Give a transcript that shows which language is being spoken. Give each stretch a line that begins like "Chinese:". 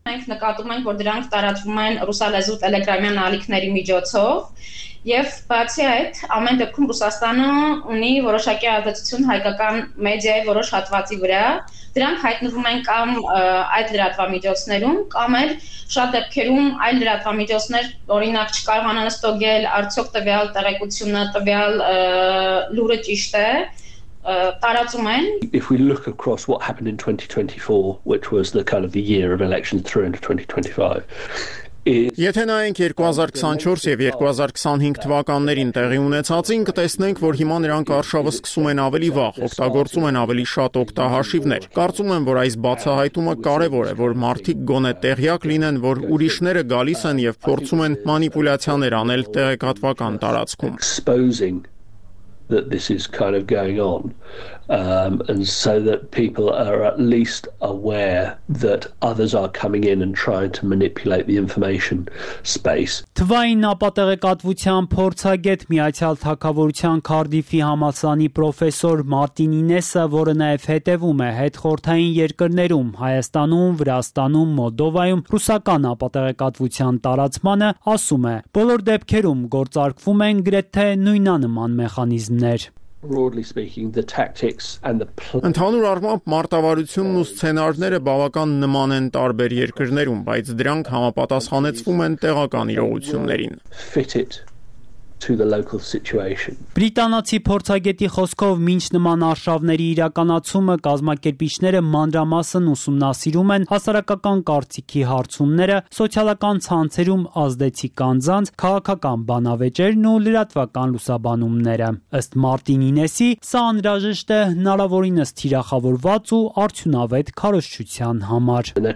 Armenian: մենք նկատում ենք, որ դրանք տարածվում են ռուսալեզու Telegram-յան ալիքների միջոցով։ Եվ բացի այդ, ամեն դեպքում Ռուսաստանը ունի որոշակի ազդեցություն հայկական մեդիայի որոշ հատվածի վրա։ Դրանք հայտնվում են կամ այդ լրատվամիջոցներում, կամ էլ շատ դեպքերում այլ լրատվամիջոցներ, օրինակ, չկարողանան ստոգել արդյոք տվյալ տեղեկությունը, տվյալ լուրը ճիշտ է, տարածում են։
English: If we look across what happened in 2024, which was the kind of the year of elections through into 2025,
Armenian: եթե նայենք 2024 և 2025 թվականներին տեղի ունեցածին, կտեսնենք, որ հիմա նրանք արշավը սկսում են ավելի վաղ, օգտագործում են ավելի շատ օգտահաշիվներ։ Կարծում եմ, որ այս բացահայտումը կարևոր է, որ մարդիկ գոնե տեղյակ լինեն, որ ուրիշները գալիս են և փորձում են մանիպուլյացիաներ անել տեղեկատվական տարածքում։
English: That this is kind of going on, and so that people are at least aware that others are coming in and trying to manipulate the information space.
Armenian: Թվային ապատեղեկատվության փորձագետ Միացյալ Թագավորության Քարդիֆի համալսանի պրոֆեսոր Մարտին Ինեսը, որը նաև հետևում է հետխորթային երկրներում, Հայաստանում, Վրաստանում, Մոլդովայում ռուսական ապատեղեկատվության տարածմանը, ասում է. Բոլոր դեպքերում գործարկվում են գրեթե նույնանման մեխանիզմ
English: Broadly speaking, the tactics and the plan.
Armenian: Ընդհանուր առմամբ մարտավարությունն ու սցենարները բավական նման են տարբեր երկրներում, բայց դրանք համապատասխանեցվում են տեղական իրողություններին.
English: To the local situation.
Armenian: Բրիտանացի փորձագետի խոսքով մինչ նման արշավների իրականացումը կազմակերպիչները մանրամասն ուսումնասիրում են հասարակական կարծիքի հարցումները, սոցիալական ցանցերում ազդեցի կանձանց, քաղաքական բանավեճերն ու լրատվական լուսաբանումները։ Ըստ Մարտին Ինեսի, սա անհրաժեշտ է հնարավորինս թիրախավորված ու արդյունավետ քարոշչության համար։